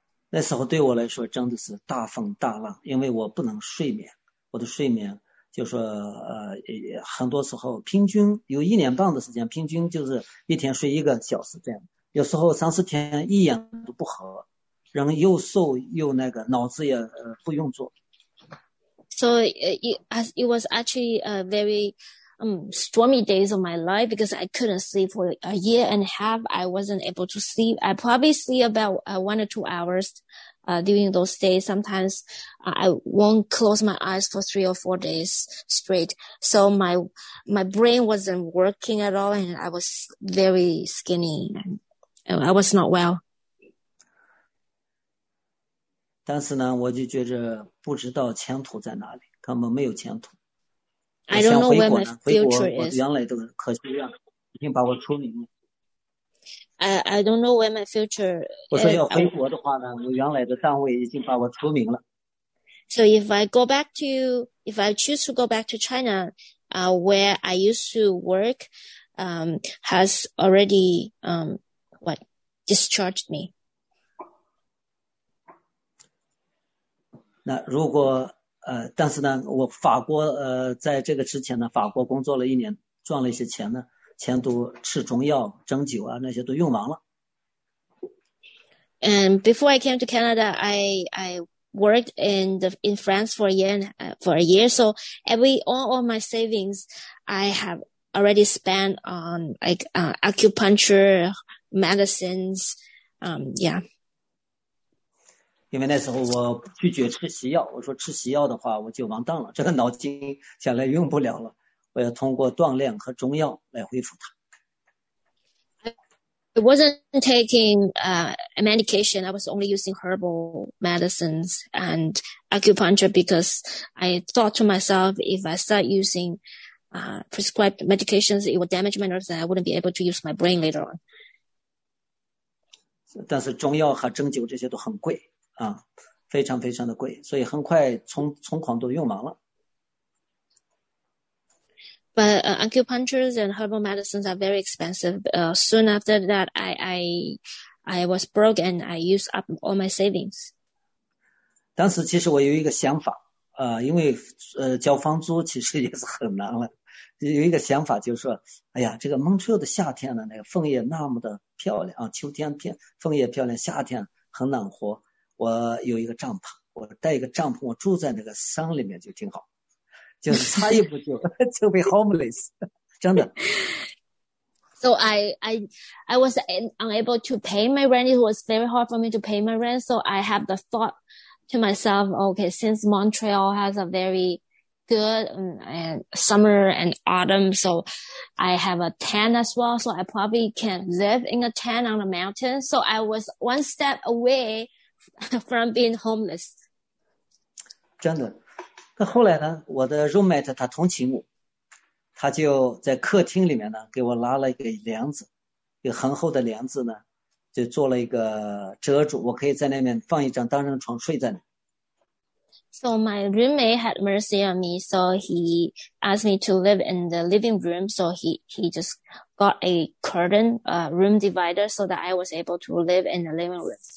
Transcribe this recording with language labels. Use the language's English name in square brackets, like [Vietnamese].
[Chinese] 那时候对我来说真的是大风大浪，因为我不能睡眠，我的睡眠就说很多时候平均有一年半的时间，平均就是一天睡一个小时这样。有时候三四天一眼都不合，人又瘦又那个，脑子也不用做。 [English] So it was actually a very stormy days of my life because I couldn't sleep for a year and a half. I wasn't able to sleep. I probably sleep about 1 or 2 hours during those days. Sometimes I won't close my eyes for 3 or 4 days straight. So my brain wasn't working at all, and I was very skinny. And I was not well. [Chinese] 但是呢，我就觉着不知道前途在哪里，根本没有前途。 [English] I don't know where my future is. [Chinese] 原来都可惜呀，已经把我出名了。 [English] I don't know where my future. [Chinese] 我说要回国的话呢，我原来的单位已经把我出名了。 [English] So if I choose to go back to China, where I used to work, has already discharged me. [Chinese] 那如果但是呢，我法国在这个之前呢，法国工作了一年，赚了一些钱呢，钱都吃中药、针灸啊那些都用完了。 [English] And before I came to Canada, I worked in France for a year. So all my savings, I have already spent on acupuncture, medicines, yeah. [Chinese] 因为那时候我拒绝吃西药，我说吃西药的话我就完蛋了，这个脑筋将来用不了了，我要通过锻炼和中药来恢复它。 [English] I wasn't taking medication, I was only using herbal medicines and acupuncture because I thought to myself if I start using prescribed medications, it would damage my nerves and I wouldn't be able to use my brain later on. [Chinese] 但是中药和针灸这些都很贵。啊，非常非常的贵，所以很快存款都用完了。 [English] But acupuncture and herbal medicines are very expensive. Soon after that, I was broke and I used up all my savings. [Chinese] 当时其实我有一个想法，因为交房租其实也是很难了，有一个想法就是说，哎呀，这个蒙特利尔的夏天呢，那个枫叶那么的漂亮啊，秋天片枫叶漂亮，夏天很暖和。我有一个帐篷，我带一个帐篷，我住在那个山里面就挺好，就是差一步就被 homeless， 真的。 [English] So I was unable to pay my rent. It was very hard for me to pay my rent. So I have the thought to myself, okay, since Montreal has a very good and summer and autumn, so I have a tent as well. So I probably can live in a tent on the mountain. So I was one step away. From being homeless. [Chinese] 真的，那后来呢？我的 roommate 他同情我，他就在客厅里面呢，给我拉了一个帘子，一个很厚的帘子呢，就做了一个遮住，我可以在那边放一张单人床睡在那。 [English] So my roommate had mercy on me, so he asked me to live in the living room. So he just got a curtain, a room divider, so that I was able to live in the living room.